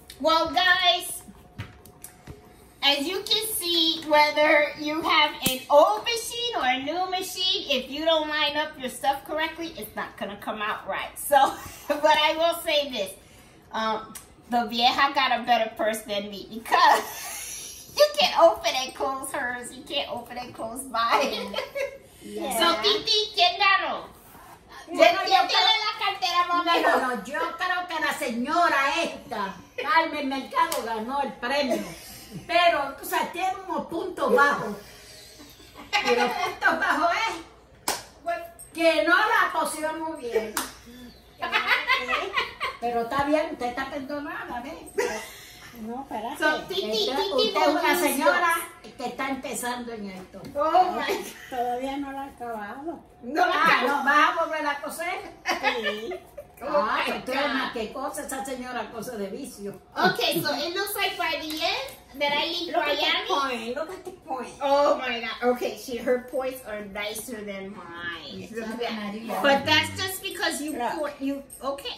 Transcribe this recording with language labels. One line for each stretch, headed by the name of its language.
English: Well, guys, as you can see, whether you have an old machine or a new machine, if you don't line up your stuff correctly, it's not going to come out right. So, but I will say this. The vieja got a better purse than me because you can't open and close hers. You can't open and close mine. Yeah. So, Titi,
Spanish: ¿quién ganó? Yo creo que la señora esta, Carmen Mercado, ganó el premio. Pero, o sea, tiene unos puntos bajos. Y los puntos bajos es que no la posió muy bien. Pero está bien, usted está perdonada, ¿ves? No, espérate.
English: So, Titi,
Spanish: usted es una señora que está empezando en esto.
English: Oh, my God.
Spanish: Todavía no la ha acabado. No, ah, no, ¿vas a volver a coser? Sí.
English: Okay, so it looks like by the end that I leave look Miami. At the point. Look at the point. Oh my God. Okay, she her points are nicer than mine. Yes. But that's just because you point, you okay.